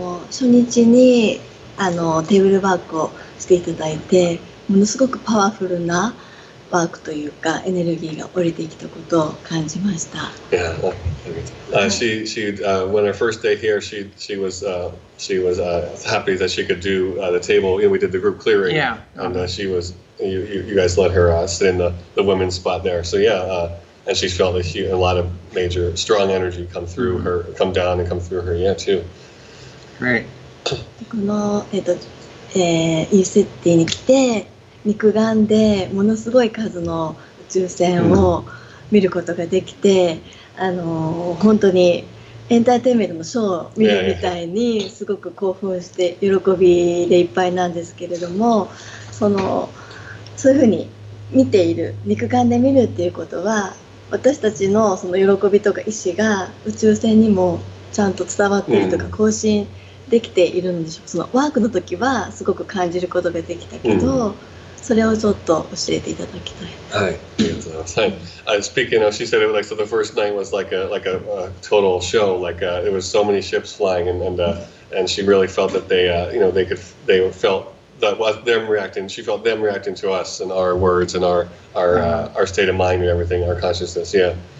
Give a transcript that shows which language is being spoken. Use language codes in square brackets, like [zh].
[ja] Sonichi ni table work をしていただいて、ものすごくパワフルなワークというか、エネルギーが降りてきたことを感じました。 [en] Yeah. When her first day here, she was happy that she could do the table. We did the group clearing. Yeah. And she was. You guys let her sit in the women's spot there. So and she's felt a lot of major strong energy come through her, come down and come through her, too. Right. [ja] この、イーセッティに来て、肉眼でものすごい数の宇宙船を見ることができて、本当にエンターテインメントのショーを見るみたいにすごく興奮して喜びでいっぱいなんですけれども、そのそういうふうに見ている、肉眼で見るっていうことは私たちのその喜びとか意志が宇宙船にもちゃんと伝わっているとか更新できているんでしょう、そのワークの時はすごく感じることができたけど、それをちょっと教えていただきたい。はい、ありがとうございます。 [en] Speaking of, she said it was like, so the first night was like a total show, like it was so many ships flying and she really felt that they felt that was them reacting. She felt them reacting to us and our words and our state of mind and everything, our consciousness. Yeah.